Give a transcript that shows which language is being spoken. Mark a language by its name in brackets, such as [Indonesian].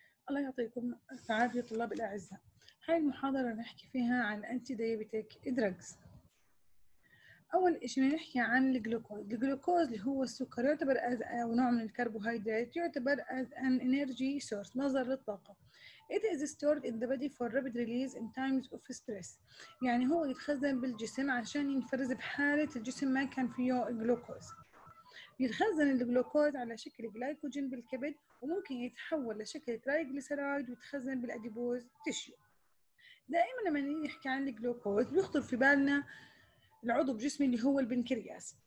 [Arabic] الله يعطيكم العافية طلاب الأعزاء. هاي المحاضرة نحكي فيها عن أنتي دايبيتيك دراجز. أول إشي نحكي عن الجلوكوز. الجلوكوز اللي هو السكر يعتبر أز أو نوع من الكربوهيدرات، يعتبر أز أن إنرجي سورس، مصدر للطاقة. [English] It is stored in the body for rapid release in times of stress. [Arabic] يعني هو يتخزن بالجسم عشان ينفرز بحالة الجسم ما كان فيه جلوكوز. يتخزن الجلوكوز على شكل جلايكوجين بالكبد، وممكن يتحول لشكل ترايجليسرايد ويتخزن بالأديبوز تيشيو. دائما لما نحكي عن الجلوكوز بيخطر في بالنا العضو بجسمي اللي هو البنكرياس.